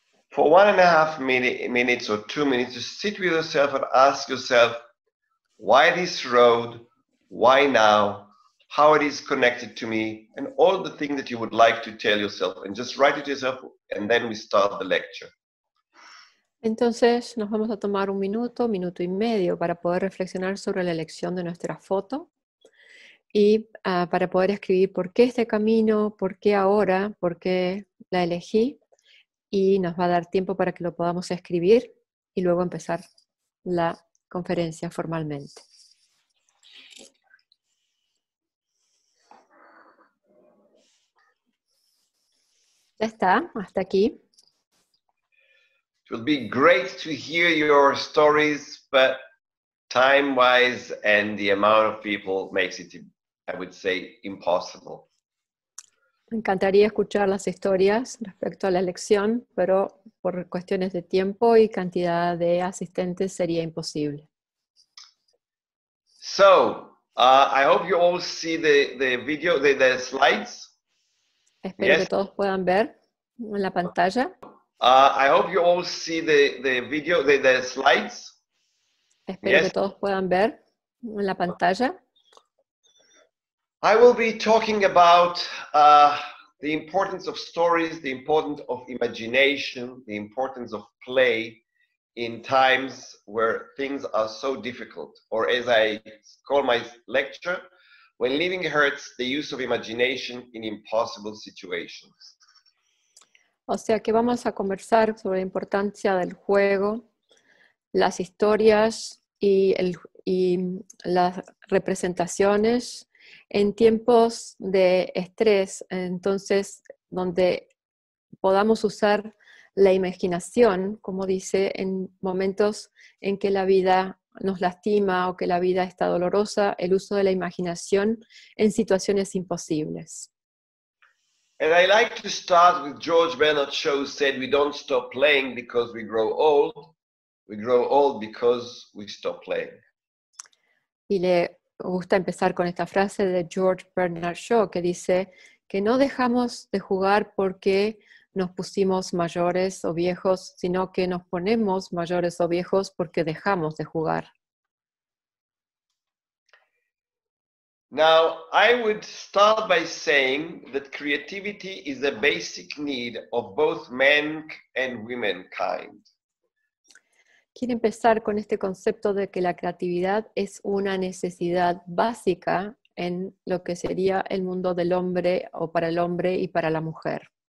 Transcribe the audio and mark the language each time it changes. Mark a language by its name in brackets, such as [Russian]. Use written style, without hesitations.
[English] For 1.5 minutes or 2 minutes, just sit with yourself and ask yourself, why this road? Why now? How it is connected to me? And all the things that you would like to tell yourself, and just write it yourself, and then we start the lecture. [Spanish] Entonces, nos vamos a tomar un minuto, minuto y medio para poder reflexionar sobre la elección de nuestra foto y para poder escribir por qué este camino, por qué ahora, por qué la elegí, y nos va a dar tiempo para que lo podamos escribir y luego empezar la conferencia formalmente. Ya está, hasta aquí. [English] It would be great to hear your stories, but time-wise and the amount of people makes it, I would say, impossible. [Spanish] Me encantaría escuchar las historias respecto a la elección, pero por cuestiones de tiempo y cantidad de asistentes sería imposible. [English] So, I hope you all see the video, the slides. [Spanish] Espero que todos puedan ver en la pantalla. [English] I hope you all see the video, the slides. [Spanish] Espero que todos puedan ver en la pantalla. [English] I will be talking about the importance of stories, the importance of imagination, the importance of play in times where things are so difficult. Or as I call my lecture, when living hurts, the use of imagination in impossible situations. [Spanish] O sea que vamos a conversar sobre la importancia del juego, las historias y las representaciones en tiempos de estrés, entonces donde podamos usar la imaginación, como dice, en momentos en que la vida nos lastima o que la vida está dolorosa, el uso de la imaginación en situaciones imposibles. [English] And I like to start with George Bernard Shaw said, we don't stop playing because we grow old because we stop playing. [Spanish] Y le gusta empezar con esta frase de George Bernard Shaw que dice que no dejamos de jugar porque nos pusimos mayores o viejos, sino que nos ponemos mayores o viejos porque dejamos de jugar. [English] Now, I would start by saying that creativity is a basic need of both men and womankind. [Spanish] Quiero empezar con este concepto de que la creatividad es una necesidad básica en lo que sería el mundo del hombre o para el hombre y para la mujer.